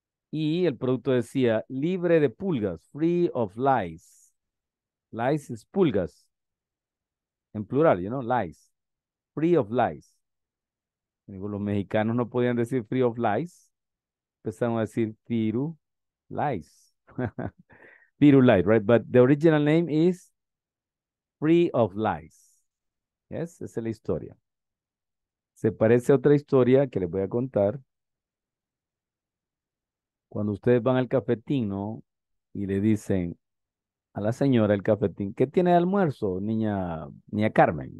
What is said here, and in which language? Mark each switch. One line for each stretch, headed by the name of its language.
Spanish: Y el producto decía libre de pulgas,
English: free of lice.
Spanish: Lice es pulgas. En plural,
English: you know, lice. Free of lice.
Spanish: Digo, los mexicanos no podían decir
English: free of lice.
Spanish: Empezaron a decir Firulais. Firulais, right?
English: But the original name is Free of Lice.
Spanish: Yes, esa es la historia. Se parece a otra historia que les voy a contar. Cuando ustedes van al cafetín, ¿no? Y le dicen a la señora del cafetín, ¿qué tiene de almuerzo, niña Carmen?